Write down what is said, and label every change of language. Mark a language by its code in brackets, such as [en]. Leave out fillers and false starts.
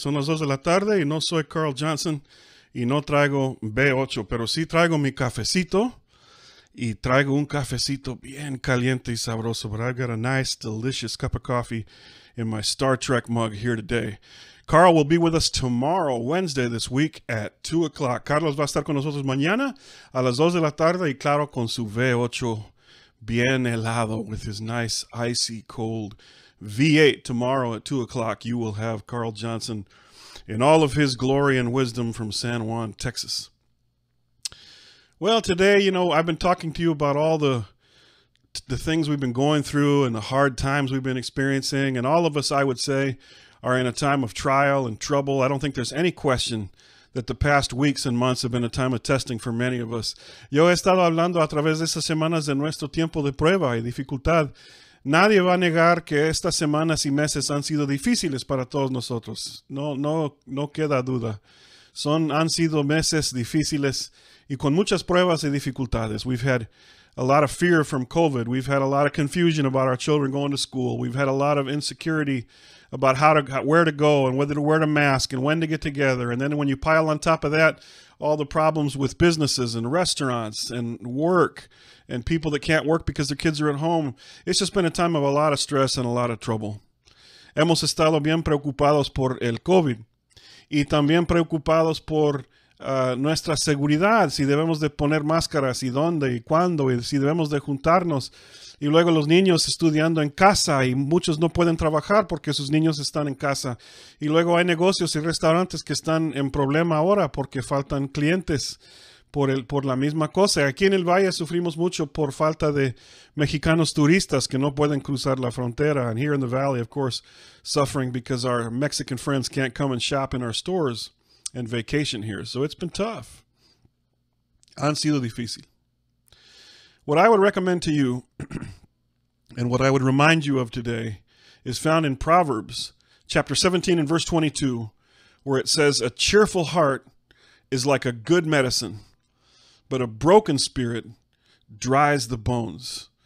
[es] Son las 2 de la tarde, y no soy Carl Johnson, y no traigo B8, pero sí traigo mi cafecito, y traigo un cafecito bien caliente y sabroso, [en] but I've got a nice, delicious cup of coffee in my Star Trek mug here today. Carl will be with us tomorrow, Wednesday, this week at 2 o'clock. [es] Carlos va a estar con nosotros mañana a las 2 de la tarde, y claro, con su V8. Bien helado [en] with his nice, icy, cold V8 tomorrow at 2 o'clock. You will have Carl Johnson in all of his glory and wisdom from San Juan, Texas. Well, today, you know, I've been talking to you about all the things we've been going through and the hard times we've been experiencing. And all of us, I would say, are in a time of trial and trouble. I don't think there's any question that the past weeks and months have been a time of testing for many of us. [es] Yo he estado hablando a través de estas semanas de nuestro tiempo de prueba y dificultad. Nadie va a negar que estas semanas y meses han sido difíciles para todos nosotros. No queda duda. Han sido meses difíciles y con muchas pruebas y dificultades. [en] We've had a lot of fear from COVID. We've had a lot of confusion about our children going to school. We've had a lot of insecurity about where to go and whether to wear a mask and when to get together. And then when you pile on top of that, all the problems with businesses and restaurants and work and people that can't work because their kids are at home. It's just been a time of a lot of stress and a lot of trouble. [es] Hemos estado bien preocupados por el COVID y también preocupados por nuestra seguridad, si debemos de poner máscaras y dónde y cuándo y si debemos de juntarnos. Y luego los niños estudiando en casa y muchos no pueden trabajar porque sus niños están en casa. Y luego hay negocios y restaurantes que están en problema ahora porque faltan clientes por la misma cosa. Aquí en el Valle sufrimos mucho por falta de mexicanos turistas que no pueden cruzar la frontera. [en] And here in the Valley, of course, suffering because our Mexican friends can't come and shop in our stores and vacation here. So it's been tough. [es] Han sido difícil. [en] What I would recommend to you and what I would remind you of today is found in Proverbs chapter 17 and verse 22, where it says, "A cheerful heart is like a good medicine, but a broken spirit dries the bones."